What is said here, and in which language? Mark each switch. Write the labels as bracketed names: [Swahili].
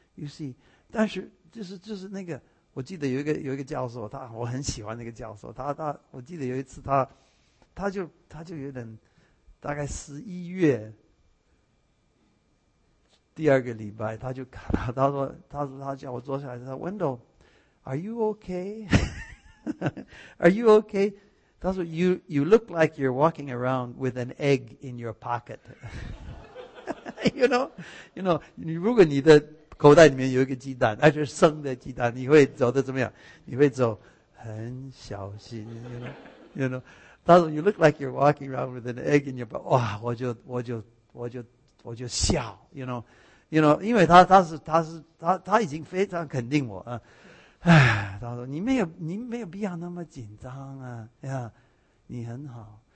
[English] You see， [Chinese] 但是就是那个，我记得有一个教授，他我很喜欢那个教授，他我记得有一次他就有点，大概11月。第二个礼拜，他就看到，他说他叫我坐下来，他说 ，Wendell， [English] Are you okay？Are you okay？ [Chinese] 他说 [English] ，You look like you're walking around with an egg in your pocket 。 You know， [Chinese] 如果你的口袋里面有一个鸡蛋，而且生的鸡蛋，你会走得怎么样？你会走很小心 ， [English] You know？ [Chinese] 他说 [English] ，You look like you're walking around with an egg in your pocket。 [Chinese] 哇，我就笑 ， [English] You know， [Chinese] 因为他已经非常肯定我啊，他说你没有必要那么紧张啊呀，你很好。